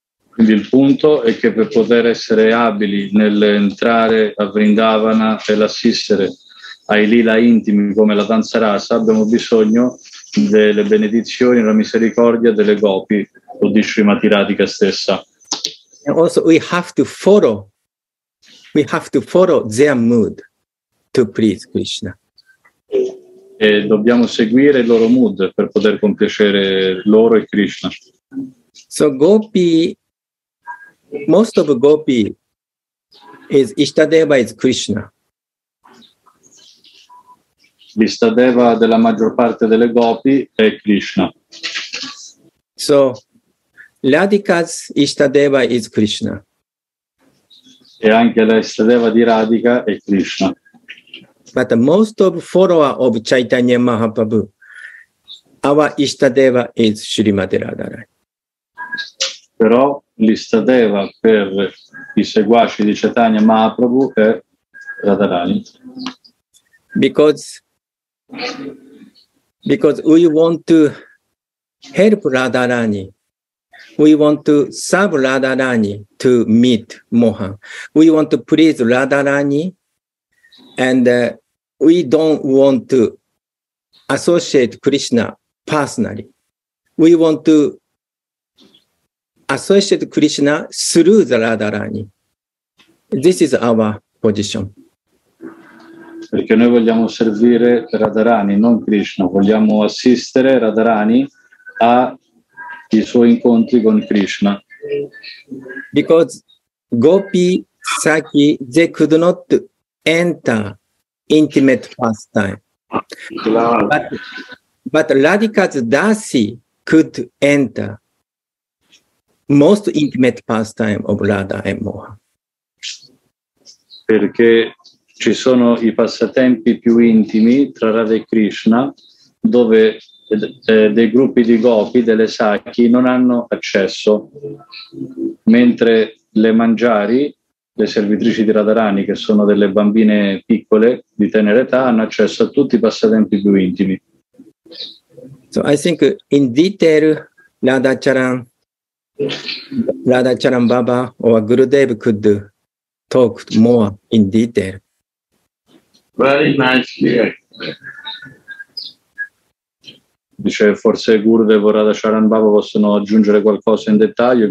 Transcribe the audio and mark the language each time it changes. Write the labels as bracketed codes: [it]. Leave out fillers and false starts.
[it] Quindi il punto è che per poter essere abili nell'entrare a Vrindavana e l'assistere ai lila intimi come la danza rasa, abbiamo bisogno delle benedizioni, della misericordia delle gopi o di Srimati Radhika stessa. [en] And also we have to follow their mood to please Krishna. [it] E dobbiamo seguire il loro mood per poter compiacere loro e Krishna. [en] So gopi, most of gopi is Ishtadeva is Krishna. [it] L'Ishtadeva della maggior parte delle gopi è Krishna. [en] So Radhika's Ishtadeva is Krishna. [it] E anche l'Ishtadeva di Radhika è Krishna. [en] But the most of followers of Chaitanya Mahaprabhu, our Ishtadeva is Srimati Radharani. [it] Però l'Ishtadeva per i seguaci di Chaitanya Mahaprabhu è Radharani. [en] Because we want to help Radharani, we want to serve Radharani to meet Mohan. We want to please Radharani and we don't want to associate Krishna personally. We want to associate Krishna through the Radharani. This is our position. [it] Perché noi vogliamo servire Radharani, non Krishna. Vogliamo assistere Radharani ai suoi incontri con Krishna. [en] Because Gopi Saki, they could not enter intimate pastime. But Radhika's Dasi could enter most intimate pastime of Radha and Moha. [it] Perché ci sono i passatempi più intimi tra Radha e Krishna, dove dei gruppi di gopi, delle sakhi, non hanno accesso, mentre le mangiari, le servitrici di Radharani, che sono delle bambine piccole di tenera età, hanno accesso a tutti i passatempi più intimi. [en] So I think in detail Radha Charan Baba or Gurudev could talk more in detail. Very nice here. [it] Dice forse Gurudev o Radha Charan Baba possono aggiungere qualcosa in dettaglio.